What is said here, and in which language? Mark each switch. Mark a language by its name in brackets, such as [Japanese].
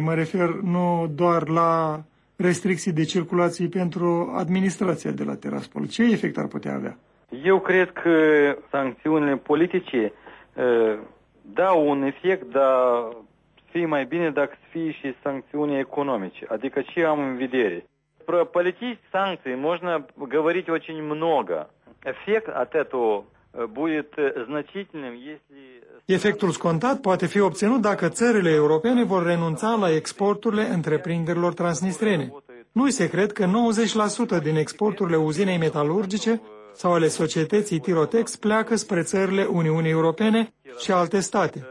[Romanian] Mă refer nu doar la restricții de circulație pentru administrația de la Tiraspol. Ce efect ar putea avea? Eu cred că sancțiunile politice dau un efect, dar fie mai bine dacă fie și sancțiuni economice. Adică ce am în vedere? [Russian] Про политические санкции можно говорить очень много. Эффект от этого будет значительным, если... [Romanian] Efectul scontat poate fi obținut dacă țările europene vor renunța la exporturile întreprinderilor transnistrene. Nu-i secret că 90% din exporturile uzinei metalurgice sau ale societății Tirotex pleacă spre țările Uniunii Europene și alte state.